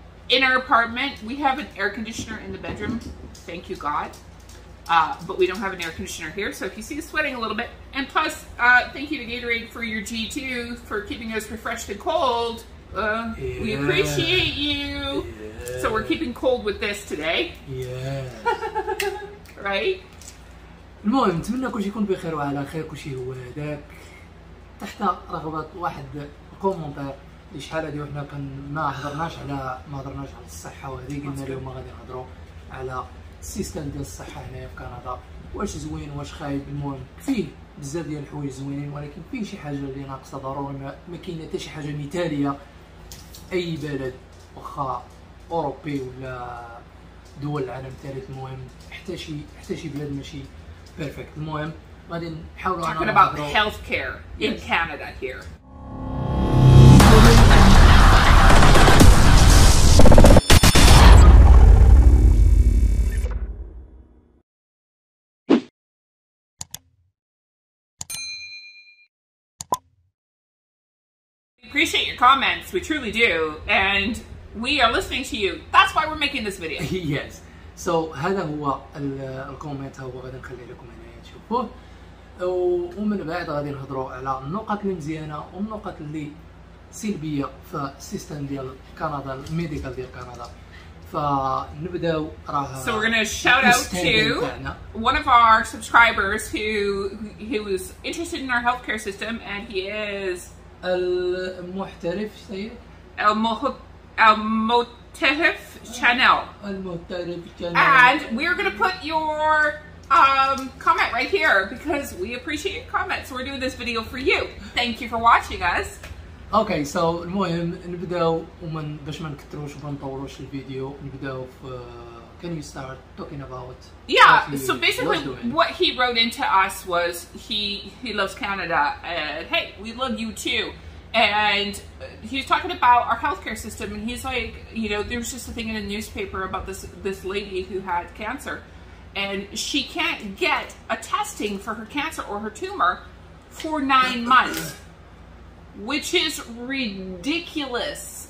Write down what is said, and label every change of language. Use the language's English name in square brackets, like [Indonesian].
[English] In our apartment, we have an air conditioner in the bedroom. Thank you, God. But we don't have an air conditioner here. So if you see us sweating a little bit, and plus, thank you to Gatorade for your G2 for keeping us refreshed and cold. Yeah. We appreciate you. Yeah. So we're keeping cold with this today. Yeah. Right? [Arabic] المهم نتمنى كل شيء يكون بخير وعلى خير. كل شيء هو هذاك. تحت رغبة واحد كومنتار. ليش حالة دي وإحنا كان ما حضرناش على الصحة وهذه قلنا اليوم غادي نحضره على سيستم دي الصحة هنا في كندا. واش زوين واش خايب. المهم فيه بزاف ديال الحوايج زوينين ولكن فيه شي حاجة اللي ناقصة ضروري. ما كاين حتى شي حاجة مثالية. أي بلد واخا أوروبي ولا دول العالم الثالث. المهم حتى شي بلد ماشي بيرفكت. المهم غادي نحاولوا نحكي على [English] about healthcare in Canada here. Appreciate your comments, we truly do, and we are listening to you. That's why we're making this video. Yes. [Arabic] So هذا هو الكومنت هو غادي نخلي لكم هنا تشوفوه. ومن بعد غادي نهضروا على النقط المزيانه والنقط اللي سلبيه في السيستم ديال كندا الميديكال ديال كندا. فنبداو راها. [English] So we're gonna shout out to one of our subscribers who was interested in our healthcare system, and he is [Arabic] المحترف سيد المحترف شانيل. المحترف شانيل. [English] And we're gonna put your comment right here because we appreciate your comments. We're doing this video for you. Thank you for watching us. [Arabic] Okay, so المهم نبدأ ومن باش ما نكتروش وما نطوروش الفيديو نبدأ في [English] can you start talking about yeah what so basically was doing. What he wrote into us was he loves Canada and hey we love you too, and he's talking about our healthcare system and he's like, you know, there was just a thing in a newspaper about this lady who had cancer and she can't get a testing for her cancer or her tumor for 9 months, which is ridiculous.